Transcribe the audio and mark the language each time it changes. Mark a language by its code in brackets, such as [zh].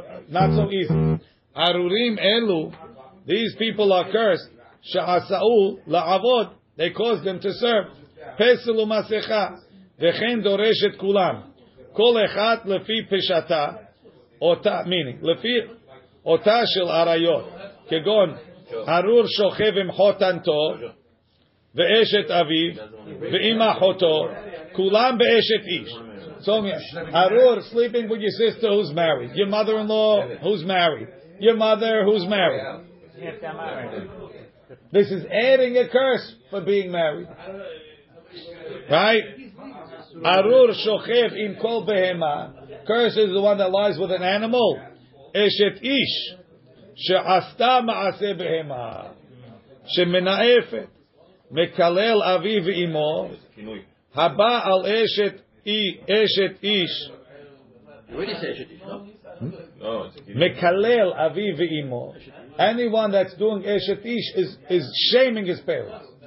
[en] so easy [he] ארורים אלו [en] these people are cursed [he] שעשאו לעבוד [en] they caused them to serve [he] פסל ומסכה וכן דורש את כולם כל אחד לפי פשטה אותה meaning לפי אותה של עריות כגון ארור שוכב עם חותנתו ואשת אביו ואמא חותו כולם באשת איש. [en] So, ארור sleeping with your sister who's married. Your mother-in-law who's married. Your mother who's married. This is adding a curse for being married. Right? [he] ארור שוכב עם כל בהמה. [en] Curse is the one that lies with an animal. [he] אשת איש. שעשתה מעשה בהמה, שמנאפת, מקלל אבי ואמו, הבא על אשת איש, מקלל אבי ואמו, [en] anyone that's doing אשת איש is shaming his parents.